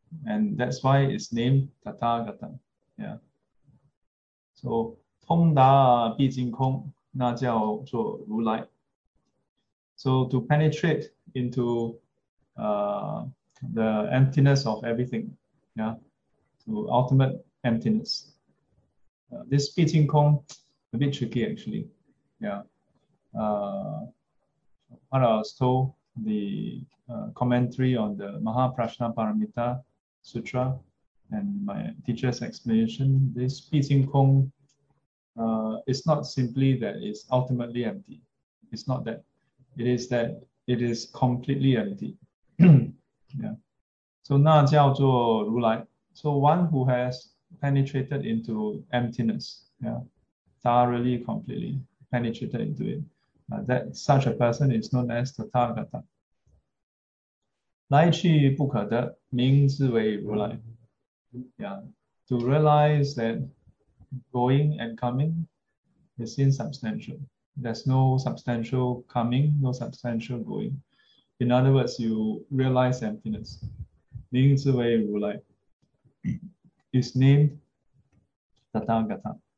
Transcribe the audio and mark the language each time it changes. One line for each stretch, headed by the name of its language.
English: And that's why it's named Tathagata. Yeah.
Chinese: So 通达毕竟空, 那叫做如来.
English: So to penetrate into the emptiness of everything, yeah, to ultimate emptiness. This 毕竟空, a bit tricky actually. Yeah. What I was told, the commentary on the Mahaprajnaparamita Sutra and my teacher's explanation, this 毕竟空, is not simply that it's ultimately empty. It's not that. It is that it is completely empty.
Chinese: Yeah. So 那叫做如来.
English: So one who has penetrated into emptiness, yeah, thoroughly, completely penetrated into it, that such a person is known as Tathagata.
Chinese: 来去不可得, 名字为如来.
English: Yeah. To realize that going and coming is insubstantial. There's no substantial coming, no substantial going. In other words, you realize emptiness.
Chinese: Ningzi Wei Rulai
English: is named Tathagata.